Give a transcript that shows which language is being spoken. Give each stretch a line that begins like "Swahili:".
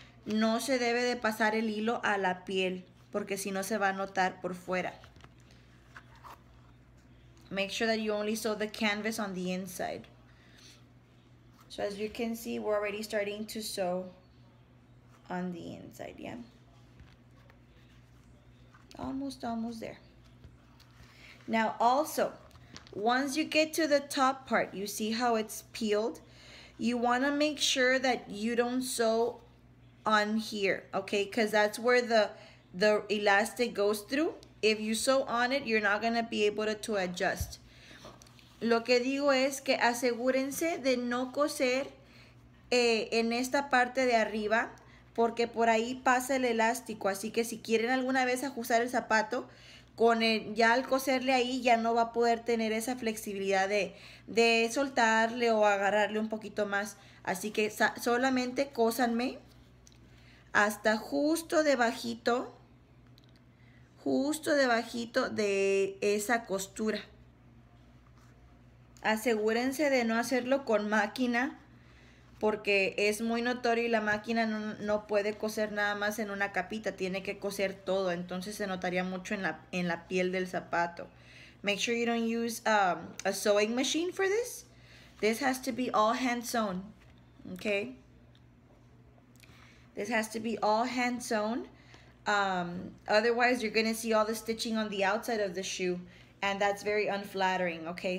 Spanish: No se debe de pasar el hilo a la piel, porque si no se va a notar por fuera.
English: Make sure that you only sew the canvas on the inside. So as you can see, we're already starting to sew on the inside, yeah? Almost there. Now also, once you get to the top part, you see how it's peeled? You wanna make sure that you don't sew on here, okay? Cause that's where the elastic goes through. If you sew on it, you're not gonna be able to adjust.
Spanish: Lo que digo es que asegúrense de no coser en esta parte de arriba, porque por ahí pasa el elástico, así que si quieren alguna vez ajustar el zapato, con el, ya al coserle ahí ya no va a poder tener esa flexibilidad de soltarle o agarrarle un poquito más. Así que solamente cósanme hasta justo debajito de esa costura. Asegúrense de no hacerlo con máquina, porque es muy notorio y la máquina no puede coser nada más en una capita, tiene que coser todo, entonces se notaría mucho en la piel del zapato.
English: Make sure you don't use a sewing machine for this. This has to be all hand sewn, okay? This has to be all hand sewn. Otherwise, you're gonna see all the stitching on the outside of the shoe, and that's very unflattering, okay?